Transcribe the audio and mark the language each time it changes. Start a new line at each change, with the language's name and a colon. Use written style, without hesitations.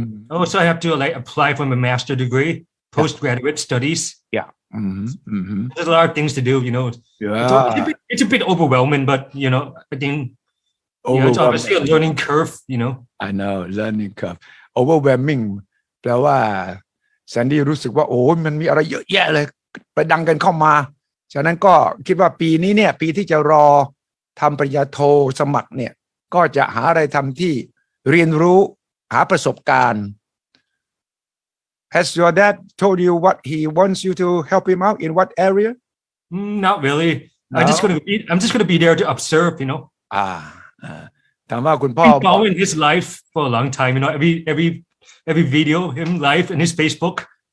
English: Also, I have to like apply for my master degree, postgraduate studies. Yeah. There's a lot of things to do, you know. Yeah. It's a bit overwhelming, but, you know, I think you know, it's obviously a learning curve, you know. I know, learning curve. Overwhelming.
Thai: แปลว่า Sandy รู้สึกว่าโอ้มันมีอะไรเยอะแยะเลยประดังกันเข้ามาฉะนั้นก็คิดว่าปีนี้เนี่ยปีที่จะรอทำปริญญาโทสมัครเนี่ยก็จะหาอะไรทำที่เรียนรู้หาประสบการณ์
English: Has your dad told you what he wants you to help him out in what area? Not really. No? I'm just gonna be there to observe, you know. He's following his life for a long time, you know. Every video him live in his Facebook.